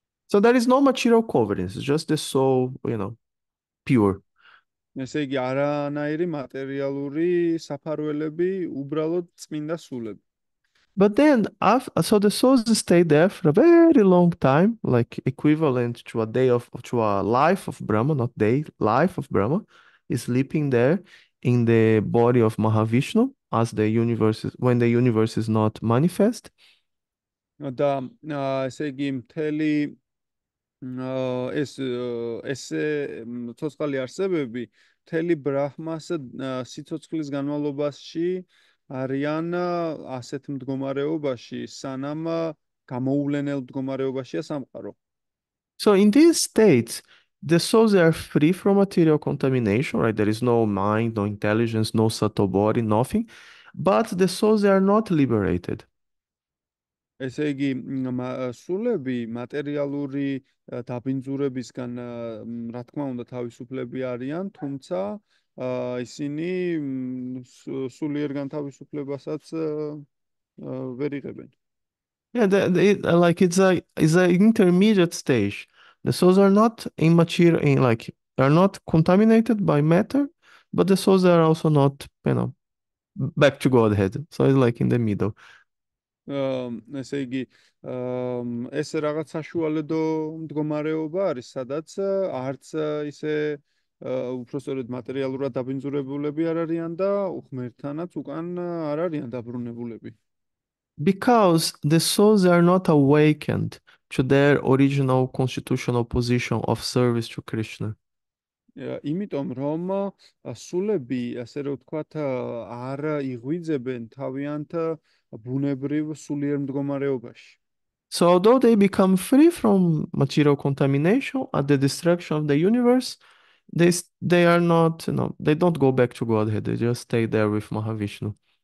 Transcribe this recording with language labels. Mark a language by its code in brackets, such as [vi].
[en] So there is no material covering, it's just the soul, you know, pure. [ka] ესე იგი, არანაირი მატერიალური საფარველები, უბრალოდ წმინდა სულები. [en] But then, so the souls stay there for a very long time, like equivalent to a day of, to a life of Brahma, not day, life of Brahma, is sleeping there in the body of Mahavishnu as the universe is, when the universe is not manifest. [ka] და ესე იგი, მთელი ესე ცოცხალი არსებები მთელი ბრაჰმას სიცოცხლის განმავლობაში არიან ასეთ მდგომარეობაში, სანამ გამოუვლენელ მდგომარეობაშია სამყარო. [en] So in this state, the souls are free from material contamination, right? There is no mind, no intelligence, no subtle body, nothing. But the souls are not liberated. [ka] ესე იგი, სულები მატერიალური დაბინძურებისგან, რა თქმა უნდა, თავისუფლები არიან, თუმცა ისინი სულიერ განთავისუფლებასაც ვერ იღებენ. [en] Yeah, like it's an intermediate stage. The souls are not immature, like are not contaminated by matter, but the souls are also not, you know, back to Godhead. So it's like in the middle. [ka] ესე იგი, ეს რაღაც საშუალედო მდგომარეობა არის, სადაც არც ისე უბრალოდ მატერიალურად დაბინძურებულები არ არიან და ღმერთთანაც უკან არ არიან დაბრუნებულები. [en] Because the souls are not awakened to their original constitutional position of service to Krishna. [ka] იმიტომ რომ სულები, ასე რომ ვთქვათ, არ იღვიძებენ თავიანთ ბუნებრივ სულიერ მდგომარეობაში. [en] So although they become free from material contamination at the destruction of the universe, they are not, you know, they don't go back to Godhead, they just stay there with Mahavishnu.